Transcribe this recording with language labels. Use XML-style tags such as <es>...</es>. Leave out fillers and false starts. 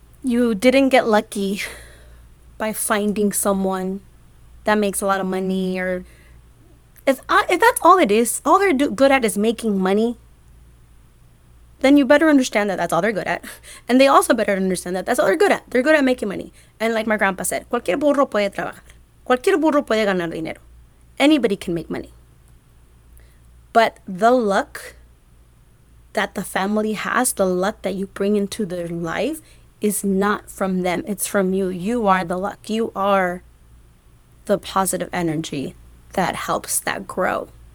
<en>You didn't get lucky by finding someone that makes a lot of money, or if that's all it is, all they're good at is making money, then you better understand that that's all they're good at. And they also better understand that that's all they're good at. They're good at making money. And like my grandpa said,</en> <es>cualquier burro puede trabajar. Cualquier burro puede ganar dinero.</es> <en>Anybody can make money. But the luck that the family has, the luck that you bring into their life, is not from them. It's from you. You are the luck. You are the positive energy that helps that grow.</en>